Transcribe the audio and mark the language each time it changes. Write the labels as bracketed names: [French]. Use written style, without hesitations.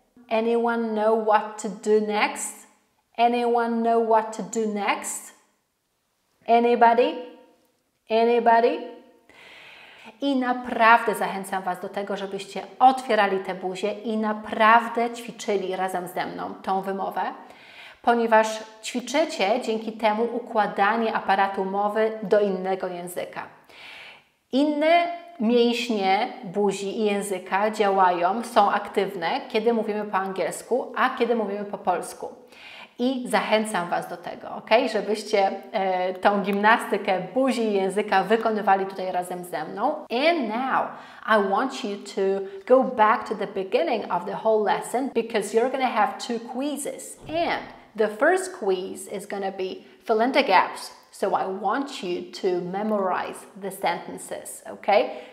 [English] Anyone know what to do next? Anyone know what to do next? Anybody? [Polish] I naprawdę zachęcam Was do tego, żebyście otwierali te buzie i naprawdę ćwiczyli razem ze mną tą wymowę, ponieważ ćwiczycie dzięki temu układanie aparatu mowy do innego języka. Inne mięśnie buzi i języka działają, są aktywne, kiedy mówimy po angielsku, a kiedy mówimy po polsku. I zachęcam Was do tego, ok? Żebyście tą gimnastykę buzi języka wykonywali tutaj razem ze mną. [English] And now I want you to go back to the beginning of the whole lesson because you're going to have two quizzes. And the first quiz is going to be fill in the gaps. So I want you to memorize the sentences, ok?